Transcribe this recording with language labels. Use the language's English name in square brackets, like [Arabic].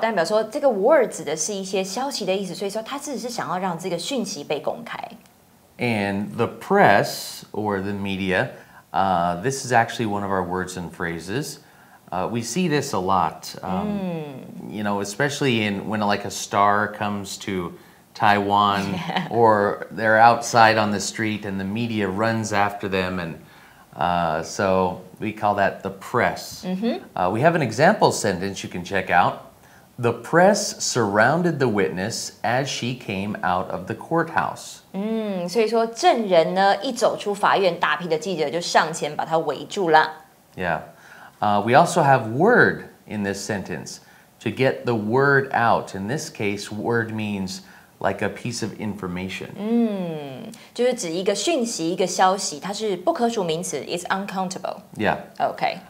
[Chinese] 代表说这个 word 指的是一些消息的意思所以说他只是想要让这个讯息被公开 [English] And the press, or the media,、this is actually one of our words and phrases.、we see this a lot,、you know, especially in when like a star comes to Taiwan、 yeah. or they're outside on the street and the media runs after them. And、so we call that the press.、 Mm-hmm. We have an example sentence you can check out. The press surrounded the witness as she came out of the courthouse. [Chinese] 所以说证人呢一走出法院大批的记者就上前把他围住了 [English] Yeah、we also have word in this sentence to get the word out in this case word means like a piece of information [Chinese] 就是指一个讯息一个消息它是不可数名词 [English] It's uncountable Yeah Okay、